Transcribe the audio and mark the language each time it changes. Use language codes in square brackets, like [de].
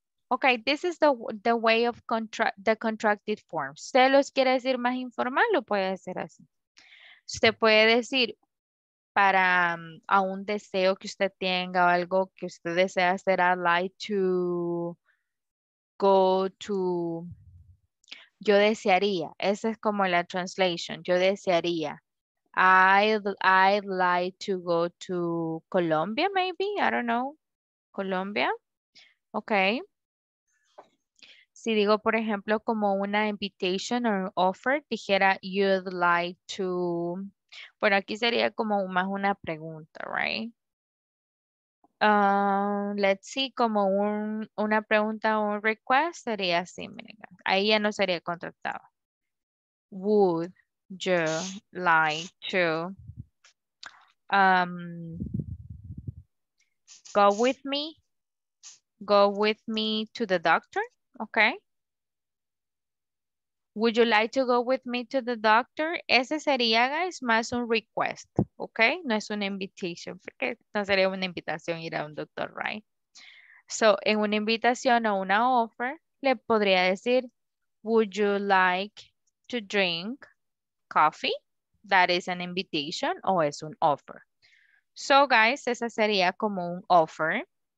[en] Ok, this is the way of the contracted form. [es] ¿Usted los quiere decir más informal? Lo puede hacer así. Usted puede decir para a un deseo que usted tenga o algo que usted desea hacer, [en] I'd like to go to... [es] Yo desearía, esa es como la translation, yo desearía. [en] I'd like to go to Colombia, maybe, I don't know, Colombia, ok. [es] Si digo, por ejemplo, como una invitation or offer, dijera [en] you'd like to, [es] bueno, aquí sería como más una pregunta, right? Let's see, como una pregunta o un request, sería así, miren, ahí ya no sería contactado. [en] Would you like to go with me to the doctor, okay? Would you like to go with me to the doctor? [es] Ese sería, guys, más un request, ¿ok? No es una invitación, porque no sería una invitación ir a un doctor, right? So, en una invitación o una offer, le podría decir, [en] would you like to drink coffee? That is an invitation o es un offer. So, guys, [es] esa sería como un [en] offer.